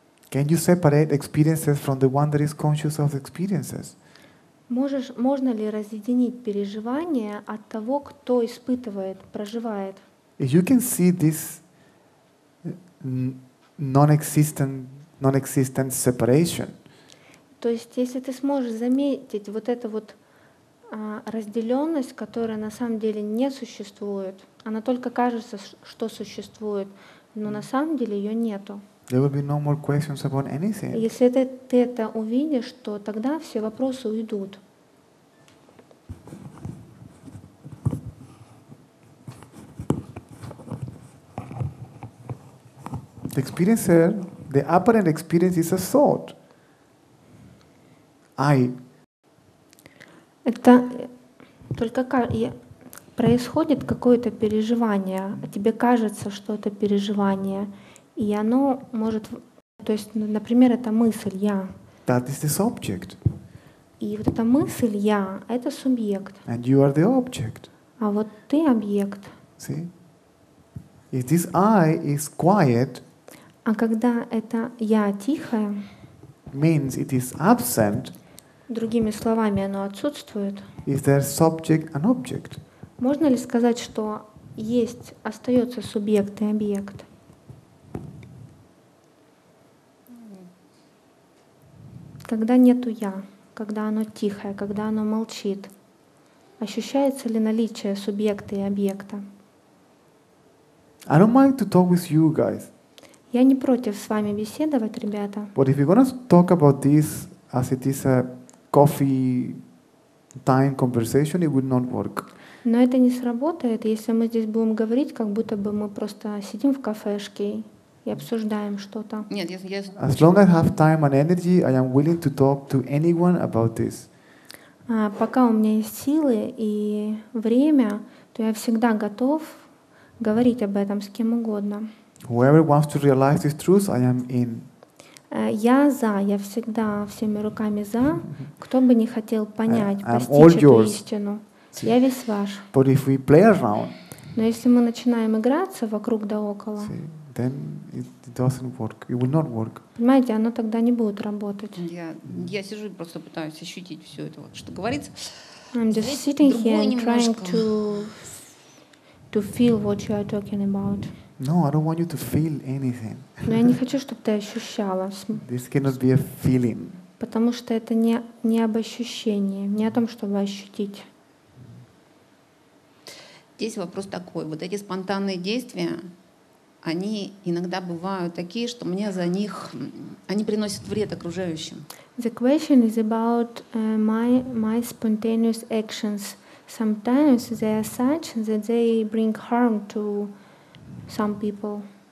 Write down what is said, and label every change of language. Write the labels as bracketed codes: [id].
[en] Can you separate experiences from the one that is conscious of experiences? [ru] Можно ли разъединить переживания от того, кто испытывает, проживает? [en] You can see this non-existent separation. [ru] То есть, если ты сможешь заметить вот эту вот разделенность, которая на самом деле не существует, она только кажется, что существует, но на самом деле ее нету. [en] There will be no more questions about anything. [ru] Если ты это увидишь, то тогда все вопросы уйдут. [en] The experiencer, the apparent experience is a thought. I. [ru] Это только происходит какое-то переживание. Тебе кажется, что это переживание, и оно может, то есть, например, это мысль я. [en] That is the subject. [ru] И вот эта мысль я, это субъект. [en] And you are the object. [ru] А вот ты объект. [en] See? If this I is quiet. [ru] А когда это «я» тихое, [en] means it is absent, [ru] другими словами, оно отсутствует, [en] is there subject and object? [ru] Можно ли сказать, что есть, остается субъект и объект? Когда нету «я», когда оно тихое, когда оно молчит, ощущается ли наличие субъекта и объекта? [en] I don't mind to talk with you guys. [ru] Я не против с вами беседовать, ребята. [en] But if you're going to talk about this as it is a coffee time conversation, it would not work. [ru] Но это не сработает, если мы здесь будем говорить, как будто бы мы просто сидим в кафешке и обсуждаем что-то. Нет, [en] As long as I have time and energy, I am willing to talk to anyone about this. [ru] Пока у меня есть силы и время, то я всегда готов говорить об этом с кем угодно. [en] Whoever wants to realize this truth, I am in. [ru] Я за, я всегда всеми руками за, кто бы не хотел понять, постичь эту истину. Я весь ваш. [en] But if we play around, [ru] но если мы начинаем играться вокруг да около, [en] then it doesn't work. It will not work. [ru] Понимаете, оно тогда не будет работать. Я сижу и просто пытаюсь ощутить все это, вот, что говорится. [en] I'm just sitting here and trying to feel what you are talking about. No, I don't want you to feel anything. [ru] Но я не хочу, чтобы ты ощущала. [en] This cannot be a feeling. [ru] Потому что это не об ощущении, не о том, чтобы ощутить. Здесь вопрос такой. Вот эти спонтанные действия, они иногда бывают такие, что мне за них... Они приносят вред окружающим. [en] The question is about my spontaneous actions. Sometimes they are such that they bring harm to some people.